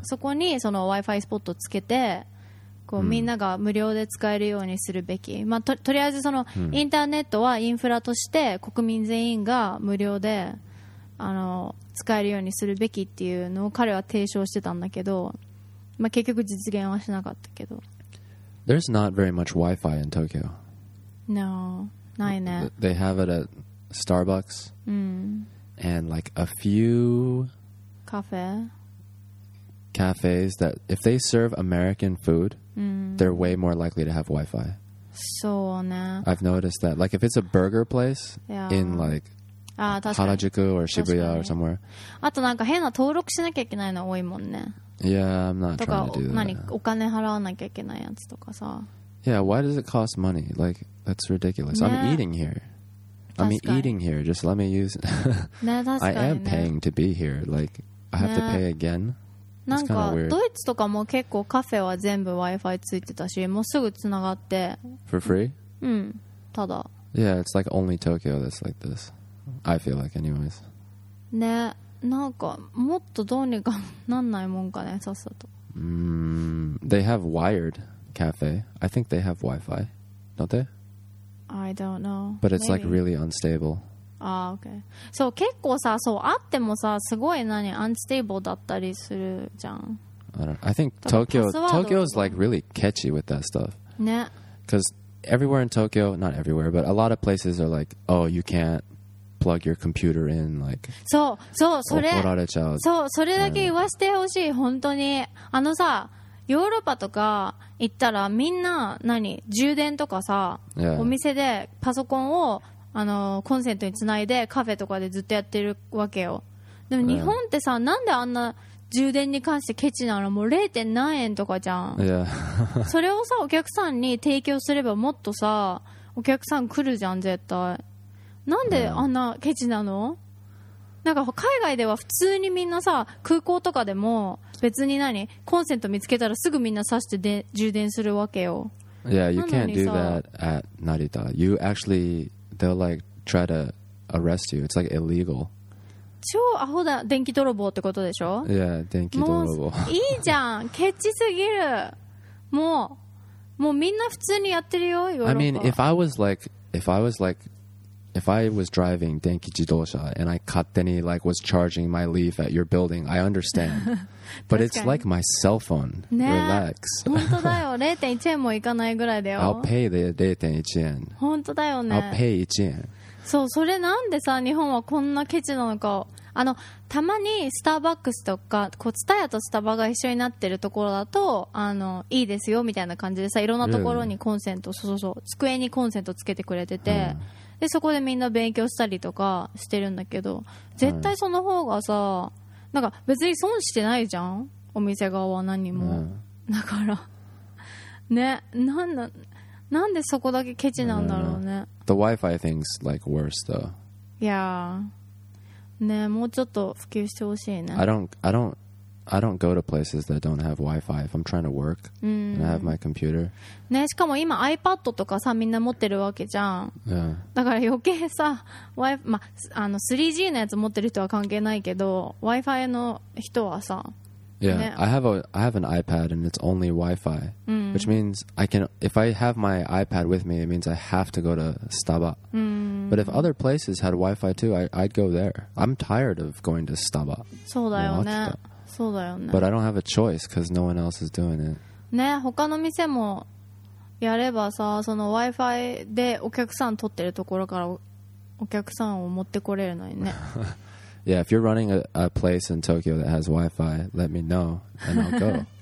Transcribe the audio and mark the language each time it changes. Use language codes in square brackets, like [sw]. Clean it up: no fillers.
[ja] そこにその Wi-Fi スポットつけて、こう、みんなが無料で使えるようにするべき。まあ、とりあえずその、インターネットはインフラとして国民全員が無料で、使えるようにするべきっていうのを彼は提唱してたんだけど、まあ、結局実現はしなかったけど。 [en] There's not very much Wi-Fi in Tokyo. [ja] No, ないね。 [en] They have it at Starbucks. And like a few... Cafes that if they serve American food, they're way more likely to have Wi-Fi. [ja] そうね。 [en] I've noticed that. Like if it's a burger place in like Harajuku or Shibuya or somewhere. [ja] あとなんか変な登録しなきゃいけないの多いもんね。 [en] Yeah, I'm not trying to do that. [ja] とか、何、お金払わなきゃいけないやつとかさ。 [en] Yeah, why does it cost money? Like, that's ridiculous. I'm eating here. I'm eating here. Just let me use it. [ja] ね、確かにね。 [en] I am paying to be here. Like, I have to pay again. [ja] なんか、ドイツとかも結構カフェは全部 Wi-Fi ついてたし、もうすぐつながって。 [en] For free? [ja] ただ。 [en] Yeah, it's like only Tokyo that's like this. I feel like, anyways. [ja] ね。なんかもっとどうにかなんないもんかねさっさと。 [en] They have wired cafe. I think they have Wi-Fi, don't they? I don't know. But it's、Maybe. Like really unstable. [ja] ああ、OK。そう、結構さ、そう、あってもさ、すごい何、アンスティーブルだったりするじゃん。 [en] I think Tokyo is like really catchy with that stuff. [ja] ね。 [en] Because everywhere in Tokyo, not everywhere, but a lot of places are like, oh, you can't plug your computer in, like, [ja] そう、そう、それ、怒られちゃう。そう、それだけ言わせてほしい、本当に。あのさ、ヨーロッパとか行ったら、みんな、何、充電とかさ、 [en] yeah. [ja] お店でパソコンを、あのコンセントにつないでカフェとかでずっとやってるわけよ。でも日本ってさ、なんであんな充電に関してケチなの？もう 0. 何円とかじゃん、 [en] yeah. [ja] それをさ、お客さんに提供すればもっとさ、お客さん来るじゃん絶対。なんであんなケチなの？なんか海外では普通にみんなさ、空港とかでも別に何コンセント見つけたらすぐみんな挿してで充電するわけよ。 [en] Yeah, you can't do that at Narita. You actuallyThey'll like try to arrest you. It's like illegal. [ja] 超アホだ。電気泥棒ってことでしょ？ Yeah, 電気泥棒。もういいじゃん。ケチすぎる。もう、もうみんな普通にやってるよ、ヨーロッパ。 [en] I mean, if I was driving 電気自動車 and I 勝手に like was charging my leaf at your building, I understand. But it's like my cell phone. [ja] ね、 [en] Relax. [ja] 本当だよ。 0.1 円もいかないぐらいだよ。 [en] I'll pay the 0.1 円。 [ja] 本当だよね。 [en] I'll pay 1円。 [ja] そう、それなんでさ、日本はこんなケチなのか。あの、たまにスターバックスとか、こう、ツタヤとスタバが一緒になってるところだと、あの、いいですよみたいな感じでさ、いろんなところにコンセント、 [en] really? [ja] そうそうそう、机にコンセントつけてくれてて、uh. でそこでみんな勉強したりとかしてるんだけど、絶対その方がさ、なんか別に損してないじゃん、お店側は何も、うん、だからね、なんでそこだけケチなんだろうね。 [en] The Wi-Fi thing's like worse though. Yeah. [ja] ね、もうちょっと普及してほしいね。 [en] I don't go to places that don't have Wi-Fi if I'm trying to work、 mm. and I have my computer. [ja] ね、しかも今 iPad とかさ、みんな持ってるわけじゃん。 [en] Yeah. [ja] だから余計さ、Wi-Fi、ま、あの 3G のやつ持ってる人は関係ないけど、Wi-Fi の人はさ、 [en] Yeah,、ね、I have an iPad and it's only Wi-Fi,、 mm. which means I can, if I have my iPad with me, it means I have to go to Starbucks.、 Mm. But if other places had Wi-Fi too, I'd go there. I'm tired of going to Starbucks. [ja] そうだよね。そうだよね。 [en] But I don't have a choice because no one else is doing it. [ja] ね、他の店もやればさ、その Wi-Fi でお客さん取ってるところからお客さんを持ってこれるのにね。 [en] Yeah, if you're running a place in Tokyo that has Wi-Fi, let me know and I'll go.